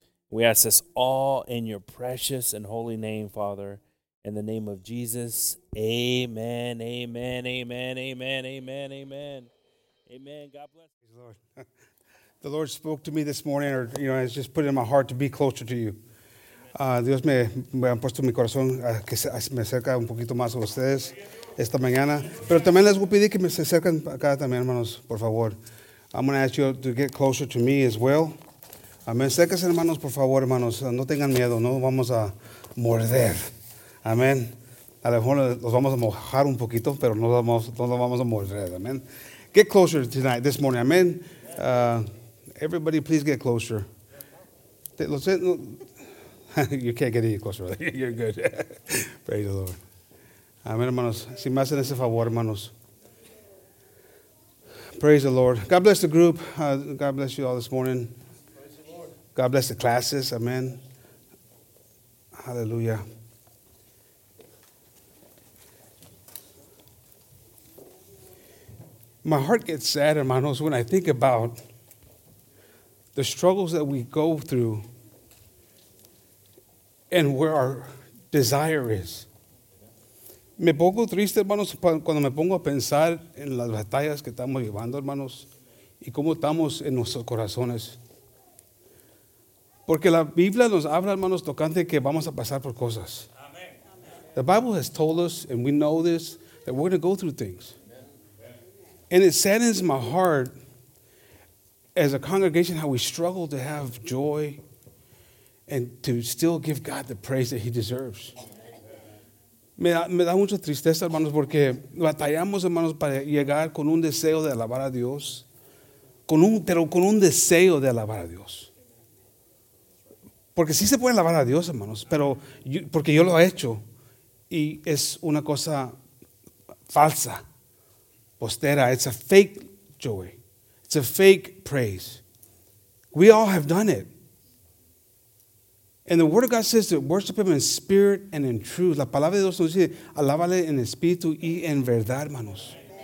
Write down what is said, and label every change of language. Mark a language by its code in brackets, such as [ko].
[en] We ask this all in your precious and holy name, Father. In the name of Jesus, amen, amen, amen, amen, amen, amen, amen. God bless you, Lord. The Lord spoke to me this morning, or, you know, has just put it in my heart to be closer to you. [es] Dios me ha puesto en mi corazón que me acerque un poquito más a ustedes esta mañana. Pero también les voy a pedir que me acerquen acá también, hermanos, por favor. [en] I'm going to ask you to get closer to me as well. [es] Amén. Acérquense, hermanos, por favor, hermanos. No tengan miedo, no vamos a morder. Amén. A lo mejor los vamos a mojar un poquito, pero no los vamos a morder. [en] Amén. Get closer tonight, this morning. Amén. Everybody, please get closer. You can't get any closer. You're good. Praise the Lord. [es] Amén, hermanos. Si me hacen ese favor, hermanos. [en] Praise the Lord. God bless the group. God bless you all this morning. God bless the classes. Amen. Hallelujah. My heart gets sad, hermanos, when I think about the struggles that we go through and where our desire is. [es] Me pongo triste, hermanos, cuando me pongo a pensar en las batallas que estamos llevando, hermanos, y cómo estamos en nuestros corazones. Porque la Biblia nos habla, hermanos, tocante que vamos a pasar por cosas. [en] Amen. The Bible has told us, and we know this, that we're going to go through things. Amen. And it saddens my heart as a congregation how we struggle to have joy and to still give God the praise that he deserves. [es] Me da mucha tristeza, hermanos, porque batallamos, hermanos, para llegar con un deseo de alabar a Dios, pero con un deseo de alabar a Dios. Porque sí se puede alabar a Dios, hermanos, porque yo lo he hecho y es una cosa falsa, postera. [en] It's a fake joy. It's a fake praise. We all have done it. And the Word of God says to worship him in spirit and in truth. [es] La palabra de Dios nos dice, alábale en espíritu y en verdad, hermanos.